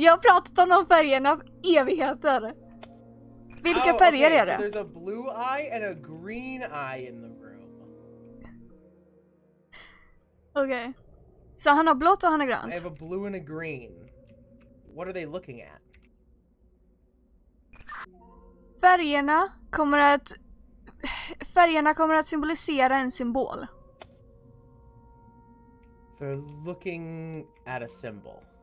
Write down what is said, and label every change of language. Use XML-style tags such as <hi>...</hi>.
<sv>Jag har pratat om de färgerna i evigheter! Vilka färger är det?</sv> <en>So there's a blue eye and a green eye in the room. Okay.</en> <sv>Så han har blått och han har grönt?</sv> <en>I have a blue and a green. What are they looking at?</en> <sv>Färgerna kommer att symbolisera en symbol.</sv> <en>They're looking at a symbol.</en>